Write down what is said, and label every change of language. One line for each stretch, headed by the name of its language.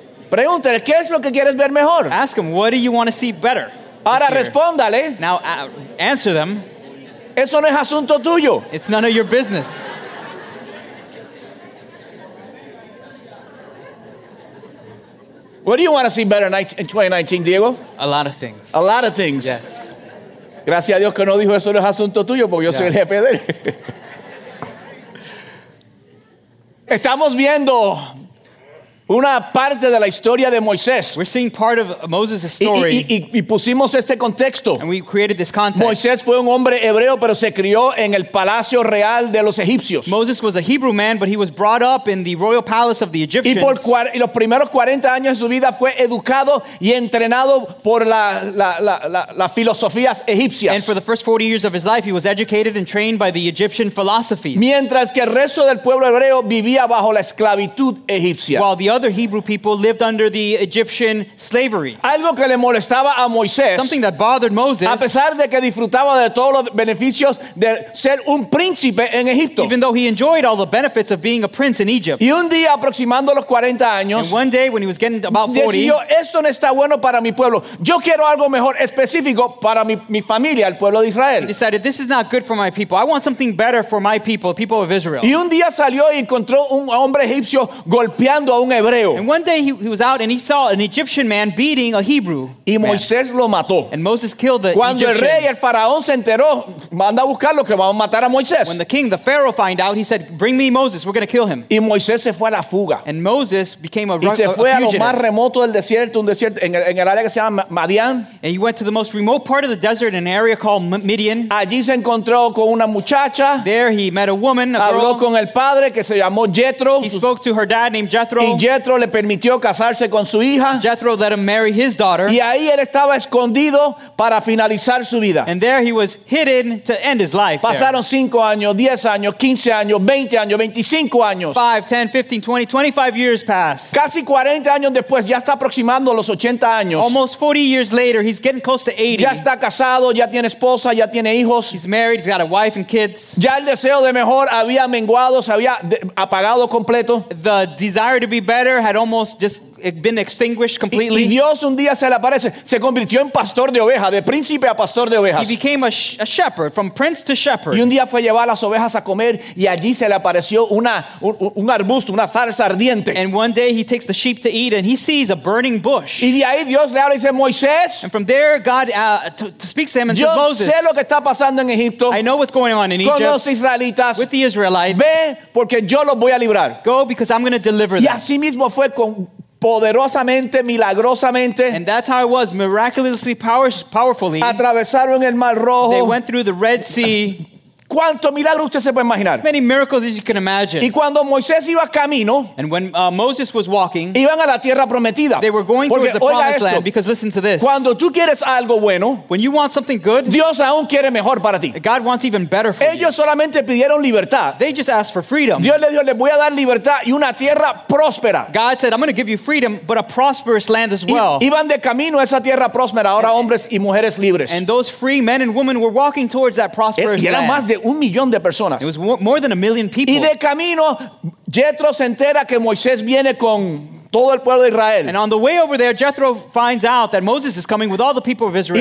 Spanish: Pregúntale, ¿qué es lo que quieres ver mejor?
English: Ask him, what do you want to see better?
Spanish: Ahora respóndale.
English: Now answer them.
Spanish: Eso no es asunto tuyo.
English: It's none of your business. What do you want to see better in 2019, Diego? A lot of things. A lot of things. Yes.
Spanish: Gracias a Dios que no dijo eso no es asunto tuyo porque yo soy el jefe de él. Estamos viendo una parte de la historia de Moisés.
English: We're seeing part of Moses' story.
Spanish: Y pusimos este contexto.
English: And we created this context.
Spanish: Moisés fue un hombre hebreo, pero se crió en el palacio real de los egipcios.
English: Moses was a Hebrew man, but he was brought up in the royal palace of the Egyptians.
Spanish: Y los primeros 40 años de su vida fue educado y entrenado por la filosofías egipcias.
English: And for the first 40 years of his life, he was educated and trained by the Egyptian philosophies.
Spanish: Mientras que el resto del pueblo hebreo vivía bajo la esclavitud egipcia.
English: The other Hebrew people lived under the Egyptian slavery.
Spanish: Algo que le molestaba a Moisés.
English: Something that bothered Moses.
Spanish: A pesar de que disfrutaba de todos los beneficios de ser un príncipe en Egipto.
English: Even though he enjoyed all the benefits of being a prince in Egypt.
Spanish: Y un día aproximando los 40 años.
English: And one day when he was getting about 40.
Spanish: Decidió, esto no está bueno para mi pueblo. Yo quiero algo mejor específico para mi familia, el pueblo de Israel.
English: He decided, this is not good for my people. I want something better for my people, the people of Israel.
Spanish: Y un día salió y encontró un hombre egipcio golpeando a un hebreo.
English: And one day he was out and he saw an Egyptian man beating a Hebrew.
Spanish: Y Moisés lo mató.
English: And Moses killed the
Spanish: Cuando
English: Egyptian.
Spanish: El rey, el faraón, se enteró, manda a buscarlo que vamos a matar a Moisés.
English: When the king, the Pharaoh, find out, he said, bring me Moses, we're going to kill him.
Spanish: Y Moisés se fue a la fuga.
English: And Moses became a fugitive.
Spanish: Y se fue a lo más remoto del desierto, un desierto en el área que se llama Madian.
English: And he went to the most remote part of the desert, an area called Midian.
Spanish: Allí se encontró con una muchacha.
English: There he met a woman, a
Spanish: Habló Habló con el padre que se llamó Jethro.
English: He spoke to her dad named Jethro.
Spanish: Y Jethro le permitió casarse con su hija.
English: Jethro let him marry his daughter.
Spanish: Y ahí él estaba escondido para finalizar su vida.
English: And there he was hidden to end his life.
Spanish: Pasaron 5 años, 10 años, 15 años, 20 años, 25 años.
English: 5, 10, 15, 20, 25 years passed.
Spanish: Casi 40 años después, ya está aproximando los 80 años.
English: Almost 40 years later, he's getting close to 80.
Spanish: Ya está casado, ya tiene esposa, ya tiene hijos.
English: He's married, he's got a wife and kids.
Spanish: Ya el deseo de mejor había menguado, se había apagado completo.
English: The desire to be better had almost just been extinguished completely.
Spanish: Y Dios un día se le aparece, se convirtió en pastor de ovejas, de príncipe a pastor de ovejas.
English: He became a shepherd, from prince to shepherd.
Spanish: Y un día fue a llevar las ovejas a comer y allí se le apareció un arbusto, una zarza ardiente.
English: And one day he takes the sheep to eat and he sees a burning bush.
Spanish: Y de ahí Dios le habla y dice, Moisés.
English: And from there God speaks to him and
Spanish: yo
English: says, Moses.
Spanish: Sé lo que está pasando en Egipto.
English: I know what's going on in
Spanish: con
English: Egypt.
Spanish: Con los israelitas.
English: With the Israelites.
Spanish: Ve porque yo los voy a librar.
English: Go because I'm going to deliver them.
Spanish: Y así mismo fue con poderosamente, milagrosamente.
English: And that's how it was, miraculously, powerfully.
Spanish: Atravesaron el Mar Rojo.
English: They went through the Red Sea.
Spanish: ¿Cuántos milagros usted se puede imaginar?
English: As many miracles as you can imagine.
Spanish: Y cuando Moisés iba camino,
English: and when Moses was walking,
Spanish: iban a la tierra prometida.
English: They were going towards the promised
Spanish: esto,
English: land. Because listen to this.
Spanish: Cuando tú quieres algo bueno,
English: when you want something good,
Spanish: Dios aún quiere mejor para ti.
English: God wants even better for
Spanish: ellos
English: you.
Spanish: Ellos solamente pidieron libertad.
English: They just asked for freedom.
Spanish: Dios le dijo, le voy a dar libertad y una tierra próspera.
English: God said, I'm going to give you freedom, but a prosperous land as well.
Spanish: Iban de camino a esa tierra próspera, ahora hombres y mujeres libres.
English: And those free men and women were walking towards that prosperous land.
Spanish: Más de un millón de personas.
English: It was more than a million people.
Spanish: Y de camino, Jethro se entera que Moisés viene con todo el pueblo de Israel.
English: And on the way over there, Jethro finds out that Moses is coming with all the people of Israel.